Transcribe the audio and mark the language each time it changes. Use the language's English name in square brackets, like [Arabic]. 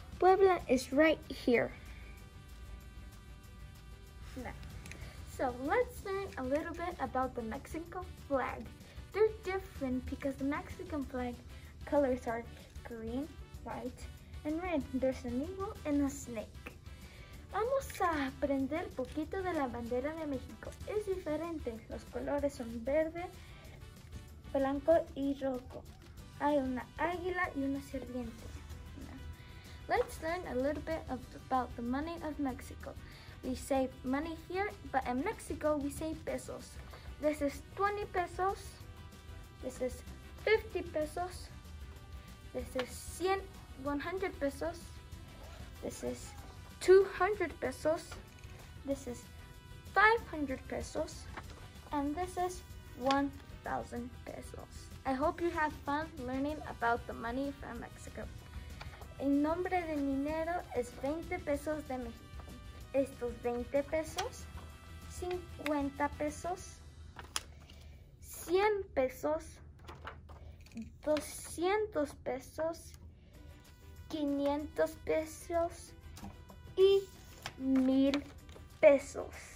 [English] Puebla is right here. So let's learn a little bit about the Mexican flag. They're different because the Mexican flag colors are green, white, and red. There's an eagle and a snake. [Spanish] Vamos a aprender poquito de la bandera de México. Es diferente. Los colores son verde, blanco y rojo. Hay una águila y una serpiente. [English] Let's learn a little bit about the money of Mexico. We say money here, but in Mexico we say pesos. This is 20 pesos. This is 50 pesos. This is 100 pesos. This is 200 pesos. This is 500 pesos. And this is 1,000 pesos. I hope you have fun learning about the money from Mexico. [Spanish] El nombre del dinero es 20 pesos de México. Estos 20 pesos, 50 pesos, 100 pesos, 200 pesos, 500 pesos y 1,000 pesos.